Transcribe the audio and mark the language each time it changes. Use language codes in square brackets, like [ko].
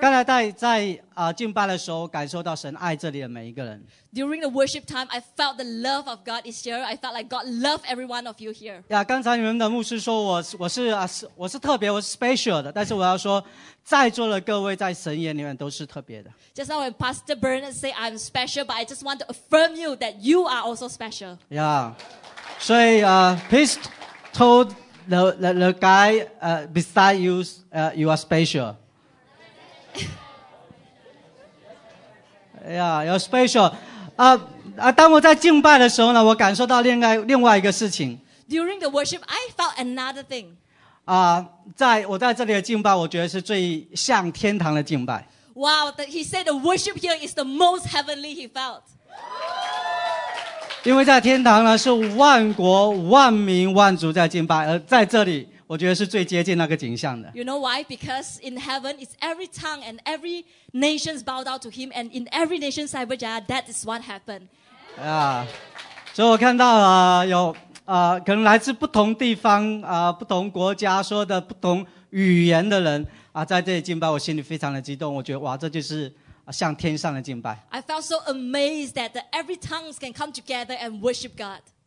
[zh] 刚才在敬拜的时候，感受到神爱这里的每一个人。 [en] During the worship time, I felt the love of God is here. I felt like God loves every one of you here. [zh] Yeah, 刚才你们的牧师说我是特别，我是 special 的。但是我要说，在座的各位在神眼里面都是特别的。 [en] Just now when Pastor Bernard say I'm special, but I just want to affirm you that you are also special. Yeah, [zh] 所以 [en] please told. The guy beside you, you are special. Yeah, you're special. [zh] 当我在敬拜的时候呢，我感受到另外一个事情。 [en] During the worship, I felt another thing. [zh] 在我在这里的敬拜，我觉得是最像天堂的敬拜。 [en] Wow, he said the worship here is the most heavenly he felt. [zh] 因为在天堂呢，是万国万民万族在敬拜，而在这里，我觉得是最接近那个景象的。 [en] You know why? Because in heaven, it's every tongue and every nation bow down to him, and in every nation, Cyberjaya, that is what happened. Yeah. [zh] 所以我看到有可能来自不同地方不同国家说的不同语言的人在这里敬拜，我心里非常的激动，我觉得哇，这就是。向天上的敬拜。 [en] I felt so amazed that the every tongues can come together and worship God.